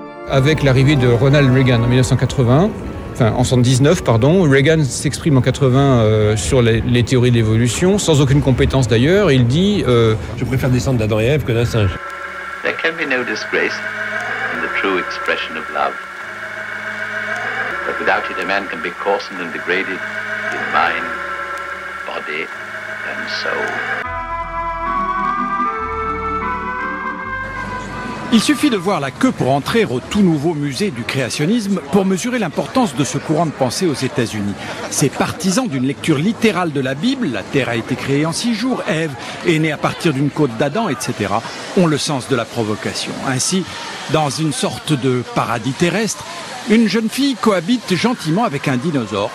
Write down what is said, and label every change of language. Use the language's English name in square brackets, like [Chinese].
[French] Avec l'arrivée de Ronald Reagan en 79, Reagan s'exprime en 80 sur les théories de l'évolution, sans aucune compétence d'ailleurs, il dit « Je préfère descendre d'Adam et Ève que d'un singe. » [English] There can be no disgrace in the true expression of love. But without it, a man can be coarsened and degraded in mind, body and soul. [French] Il suffit de voir la queue pour entrer au tout nouveau musée du créationnisme pour mesurer l'importance de ce courant de pensée aux États-Unis. Ces partisans d'une lecture littérale de la Bible, la Terre a été créée en 6 jours, Ève est née à partir d'une côte d'Adam, etc., ont le sens de la provocation. Ainsi, dans une sorte de paradis terrestre, une jeune fille cohabite gentiment avec un dinosaure.